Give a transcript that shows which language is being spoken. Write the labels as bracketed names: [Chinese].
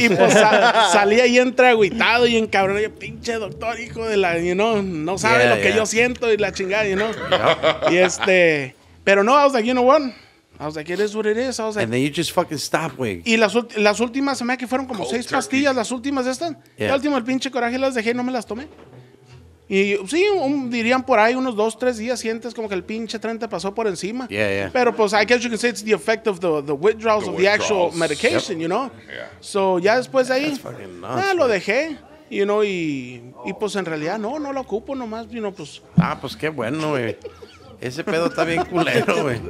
[Spanish] Y pues salí ahí entre agüitado y encabronado. Pinche doctor, hijo de la, [English] you know, [Spanish] no sabe lo que yo siento y la chingada, you know. Y pero no, [English] I was like, you know what? I was like, it is what it is. I was like, and then you just fucking stop, wey. [Spanish] Y las últimas, se me que fueron como cold 6 turkey. Pastillas, las últimas de estas. Yeah. La última, el pinche coraje, las dejé, no me las tomé. Y sí, dirían por ahí unos 2-3 días sientes como que el pinche tren te pasó por encima. [English] Yeah, yeah. [Spanish] Pero pues, [English] I guess you can say it's the effect of the withdrawals of the actual medication, yep. You know? Yeah. [Spanish] So, ya después de ahí, lo dejé, [English] you know, [Spanish] y pues en realidad no lo ocupo nomás, you know, pues. Ah, pues qué bueno, güey. Ese pedo está bien culero, güey.